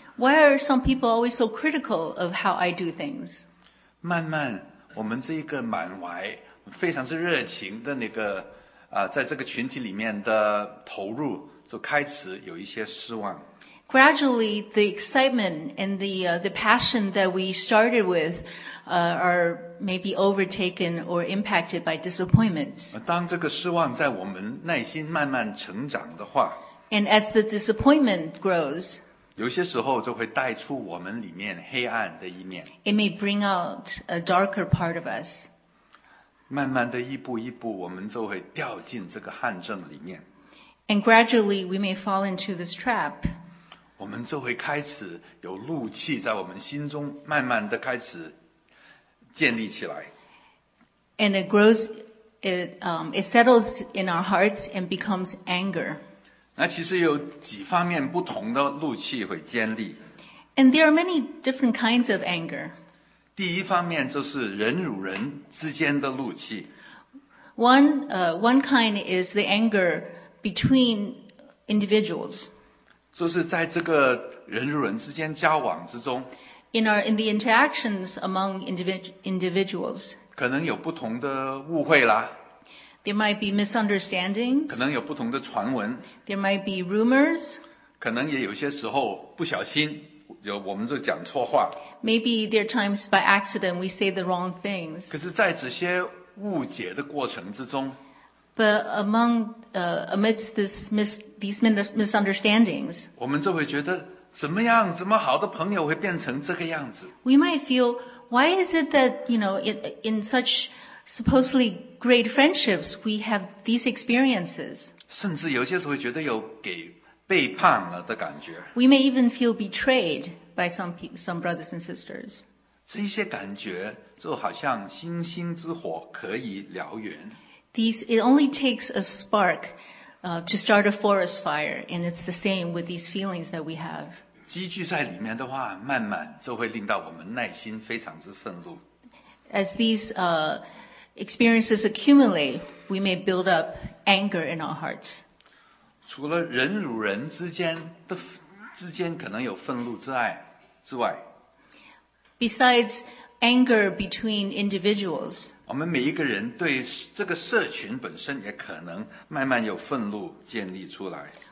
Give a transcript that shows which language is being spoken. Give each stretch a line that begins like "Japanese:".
English: Why are some people always so critical of how I do things?
Chinese: 慢慢我们这个满怀非常是热情的那个、在这个群体里面的投入就开始有一些失望
English: Gradually the excitement and the passion that we started withare maybe overtaken or impacted by disappointments.
Chinese: 当这个失望在我们内心慢慢成长的话
English: And as the disappointment grows,
Chinese: 有些时候就会带出我们里面黑暗的一面
English: It may bring out a darker part of us.
Chinese: 慢慢的一步一步我们就会掉进这个暗症里面
English: And gradually we may fall into this trap.
Chinese: 我们就会开始有怒气在我们心中慢慢的开始建立起来
English: and it grows, it settles in our hearts and becomes anger.
Chinese: 那其实有几方面不同的怒气会建立
English: and there are many different kinds of anger.
Chinese: 第一方面就是人与人之间的怒气
English: One kind is the anger between individuals.
Chinese: 就是在这个人与人之间交往之中
English: In the interactions among individuals,
Chinese: 可能有不同的误会啦。
English: There might be misunderstandings.
Chinese: 可能有不同的传闻。
English: There might be rumors.
Chinese: 可能也有些时候不小心，有我们就讲错话。
English: Maybe there are times by accident we say the wrong things.
Chinese: 可是，在这些误解的过程之中
English: ，But amidst these misunderstandings,
Chinese: 我们就会觉得。怎么样？怎么好的朋友会变成这个样子
English: ？We might feel, why is it that you know, in such supposedly great friendships, we have these experiences?
Chinese: 甚至有些时候觉得有给背叛了的感觉。
English: We may even feel betrayed by some brothers and sisters.
Chinese: 这些感觉就好像星星之火可以燎原。
English: It only takes a spark. To start a forest fire, and it's the same with these feelings that we have.
Chinese: 积聚在里面的话，慢慢就会令到我们内心非常之愤怒。
English: As these experiences accumulate, we may build up anger in our hearts.
Chinese: 除了人与人之间可能有愤怒之外
English: ，besides anger between individuals，
Chinese: 我们每一个人对这个社群本身也可能慢慢有愤怒建立出来。